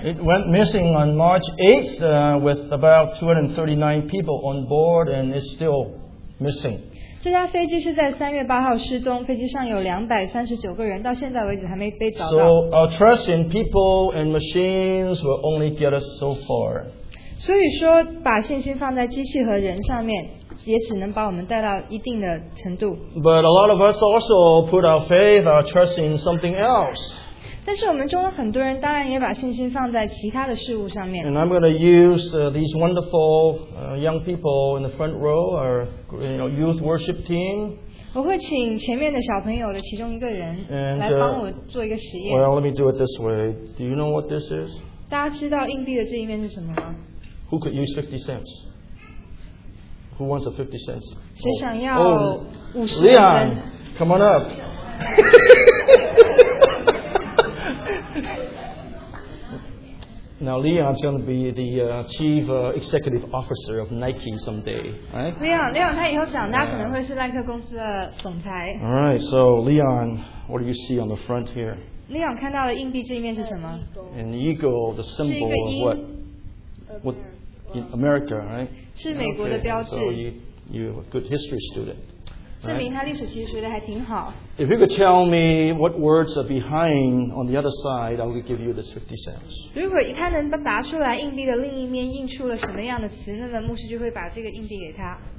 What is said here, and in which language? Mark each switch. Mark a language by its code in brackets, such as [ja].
[en] It went missing on March 8th with about 239 people on board, and it's still missing. [zh] 这架飞机是在3月8号失踪，飞机上有239个人，到现在为止还没被找到. [en] So our trust in people and machines will only get us so far. [zh] 所以说，把信心放在机器和人上面，也只能把我们带到一定的程度. [en] But a lot of us also put our faith, our trust in something else. [zh] 但是我们中的很多人当然也把信心放在其他的事物上面. [en] And I'm going to use these wonderful young people in the front row, our youth worship team. [zh] 我会请前面的小朋友的其中一个人来帮我做一个实验. [en] Well, let me do it this way. Do you know what this is? [zh] 大家知道硬币的这一面是什么吗？ [en] Who could use 50 cents? Who wants a 50 cents? [zh] 谁想要50 [en] Leon, come on up. Now, Leon's going to be the chief executive officer of Nike someday, right? All right, so Leon, what do you see on the front here? [zh] Leon看到的硬币这一面是什么? [en] An eagle, the symbol of what? What? In America, right? [zh] 是美国的标志. [en] Okay, so you're a good history student. Right? If you could tell me what words are behind on the other side, I will give you this 50 cents. [zh] 如果他能答出来硬币的另一面印出了什么样的词，那么牧师就会把这个硬币给他。